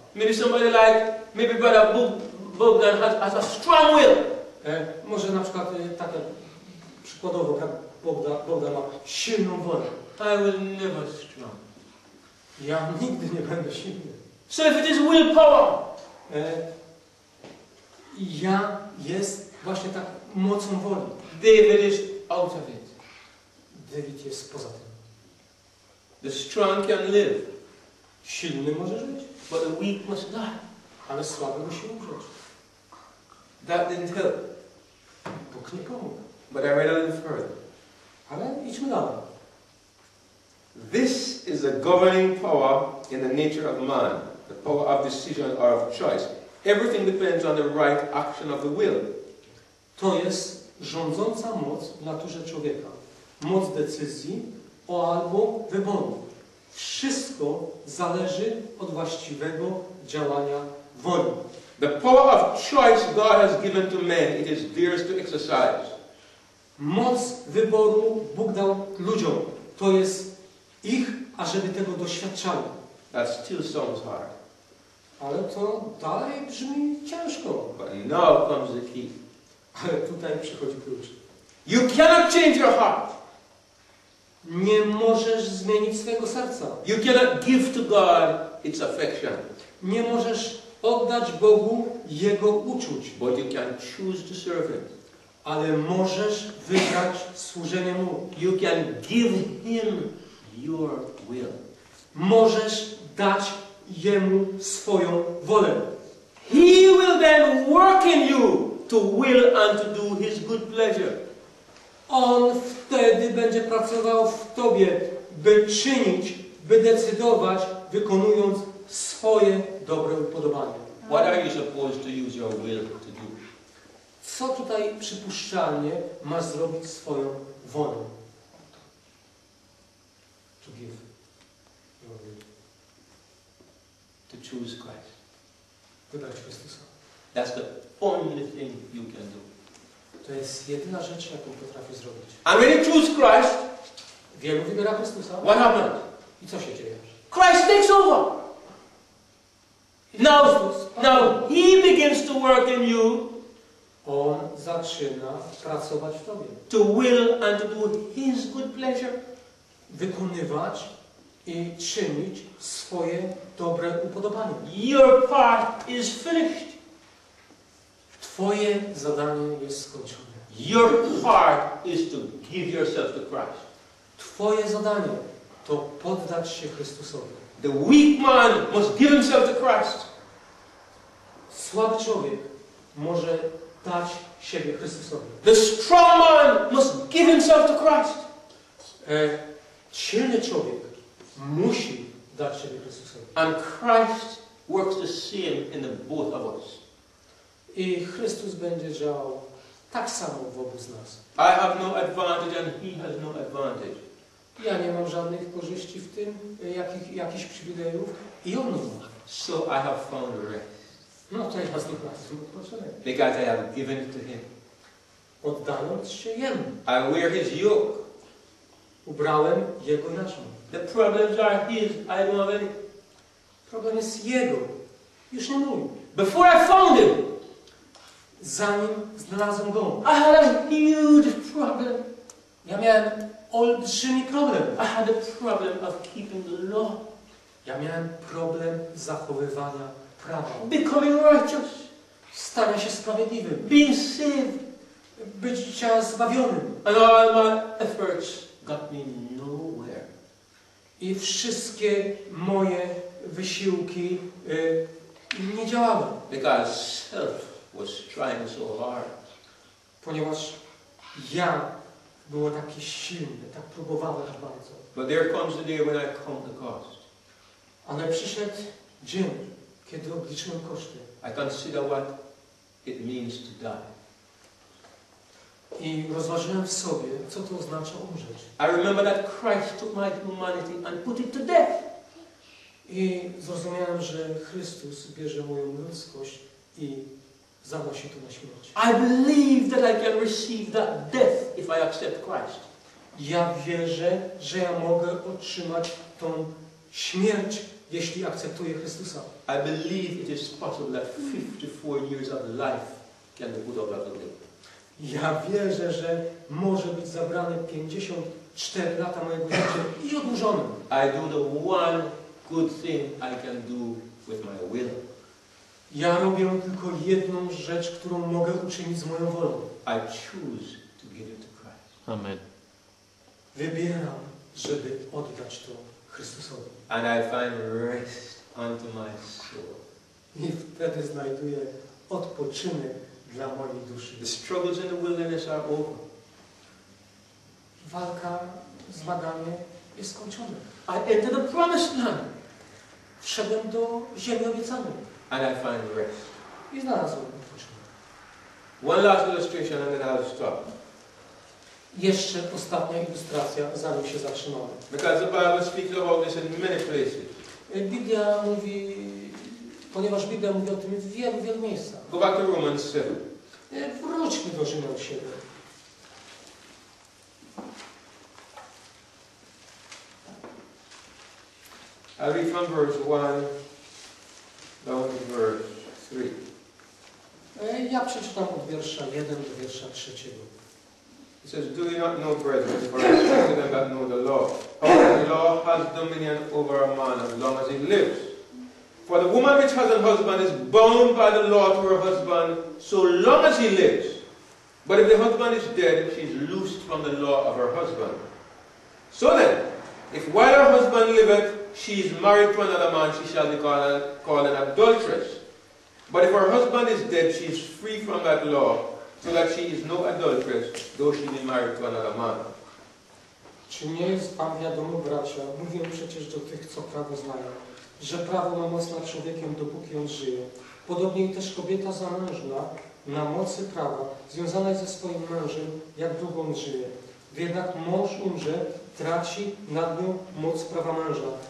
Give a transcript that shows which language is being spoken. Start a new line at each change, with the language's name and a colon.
English: Maybe somebody like, maybe brother Bogdan has a strong will.
Polish: Może na przykład tak jak przykładowo, jak Bogdan ma silną wolę.
English: I will never strong.
Polish: Ja nigdy nie będę silny.
English: So if it is willpower.
Polish: Ja jest właśnie tak mocą woli.
English: David is out of it.
Polish: David jest poza tym.
English: The strong can live.
Polish: Silny może żyć.
English: But the weak must die.
Polish: Ale słaby musi umrzeć.
English: That didn't help.
Polish: Bóg nie pomógł.
English: But I read a little further.
Polish: Ale idźmy dalej.
English: This is the governing power in the nature of man, the power of decision or of choice. Everything depends on the right action of the will.
Polish: To jest rządząca moc w naturze człowieka. Moc decyzji albo wyboru. Wszystko zależy od właściwego działania woli.
English: The power of choice God has given to men, it is theirs to exercise.
Polish: Moc wyboru Bóg dał ludziom. To jest ich, ażeby tego doświadczali.
English: That still sounds hard.
Polish: Ale to dalej brzmi ciężko.
English: But now comes the key.
Polish: Ale tutaj przychodzi klucz.
English: You cannot change your heart.
Polish: Nie możesz zmienić swojego serca.
English: You cannot give to God its affection.
Polish: Nie możesz oddać Bogu jego uczuć.
English: But you can choose to serve him.
Polish: Ale możesz wybrać służenie mu.
English: You can give him your will.
Polish: Możesz dać jemu swoją wolę.
English: He will then work in you to will and to do his good pleasure.
Polish: On wtedy będzie pracował w tobie, by czynić, by decydować, wykonując swoje dobre upodobanie.
English: What are you supposed to use your will to do?
Polish: Co tutaj przypuszczalnie masz zrobić swoją wolą?
English: To give your will. To choose Christ.
Polish: Wybrać Chrystusa.
English: That's the only thing you can do.
Polish: To jest jedyna rzecz, jaką potrafię zrobić.
English: And when you choose Christ,
Polish: wielu wybiera Chrystusa.
English: What happened?
Polish: I co się dzieje?
English: Christ takes over. Now he begins to work in you.
Polish: On zaczyna pracować w tobie.
English: To will and to do his good pleasure.
Polish: Wykonywać i czynić swoje dobre upodobanie.
English: Your part is finished.
Polish: Twoje zadanie jest skończone.
English: Your part is to give yourself to Christ.
Polish: Twoje zadanie to poddać się Chrystusowi.
English: The weak man must give himself to Christ.
Polish: Słaby człowiek może dać siebie Chrystusowi.
English: The strong man must give himself to Christ.
Polish: Silny człowiek musi dać siebie Chrystusowi.
English: And Christ works the same in the both of us.
Polish: I Chrystus będzie działał tak samo wobec nas.
English: I have no advantage and he has no advantage.
Polish: Ja nie mam żadnych korzyści w tym, jakichś przywilejów i on nie ma.
English: So I have found rest.
Polish: No to ja z tych razów odpoczynę.
English: Because I have given to him.
Polish: Oddając się jemu.
English: I wear his yoke.
Polish: Ubrałem jego jarzmo.
English: The problems are his, I don't have any.
Polish: Problem jest jego. Już nie mój.
English: Before I found him.
Polish: Zanim znalazłem go.
English: I had a huge problem.
Polish: Ja miałem olbrzymi problem.
English: I had a problem of keeping the law.
Polish: Ja miałem problem zachowywania prawa.
English: Becoming righteous.
Polish: Stania się sprawiedliwym.
English: Being saved.
Polish: Bycia zbawionym.
English: And all my efforts got me nowhere.
Polish: I wszystkie moje wysiłki nie działały.
English: Because self was trying so hard.
Polish: Ponieważ ja było takie silne, tak próbowałem tak bardzo.
English: But there comes the day when I count the cost.
Polish: Ale przyszedł dzień, kiedy obliczyłem koszty.
English: I consider what it means to die.
Polish: I rozważyłem w sobie, co to oznacza umrzeć.
English: I remember that Christ took my humanity and put it to death.
Polish: I zrozumiałem, że Chrystus bierze moją ludzkość i zadał się to na śmierć.
English: I believe that I can receive that death if I accept Christ.
Polish: Ja wierzę, że ja mogę otrzymać tą śmierć, jeśli akceptuję Chrystusa.
English: I believe it is possible that 54 years of life can be put over the limit.
Polish: Ja wierzę, że może być zabrane 54 lata mojego życia i odłużone.
English: I do the one good thing I can do with my will.
Polish: Ja robię tylko jedną rzecz, którą mogę uczynić z moją wolą.
English: I choose to give it to Christ. Amen.
Polish: Wybieram, żeby oddać to Chrystusowi.
English: And I find rest unto my soul.
Polish: I wtedy znajduję odpoczynek dla mojej duszy.
English: The struggles in the wilderness are over.
Polish: Walka, zmaganie jest skończone.
English: I enter the promised land.
Polish: Wszedłem do ziemi obiecanej.
English: And I find rest.
Polish: I znalazłem odpoczynek.
English: One last illustration and then I'll stop.
Polish: Jeszcze ostatnia ilustracja, zanim się zatrzymamy.
English: Because the Bible speaks about this in many places.
Polish: Biblia mówi, ponieważ Biblia mówi o tym w wielu, wielu miejscach.
English: Go back to Romans 7.
Polish: Wróćmy do Rzymian 7.
English: I read from verse 1. Down to verse 3.
Polish: Ja przeczytam od wiersza 1 do wiersza 3.
English: It says, do you not know, brethren, for I speak to them that know the law, how the law has dominion over a man as long as he lives. For the woman which has a husband is bound by the law to her husband so long as he lives. But if the husband is dead, she is loosed from the law of her husband. So then, if while her husband liveth, she is married to another man, she shall be called an adulteress. But if her husband is dead, she is free from that law, so that she is no adulteress, though she be married to another man.
Polish: Czy nie jest Pan wiadomo, bracia, mówię przecież do tych, co prawo znają, że prawo ma moc nad człowiekiem, dopóki on żyje. Podobnie też kobieta zamężna na mocy prawa, związana jest ze swoim mężem, jak długo on żyje. Gdy jednak mąż umrze, traci nad nią moc prawa męża.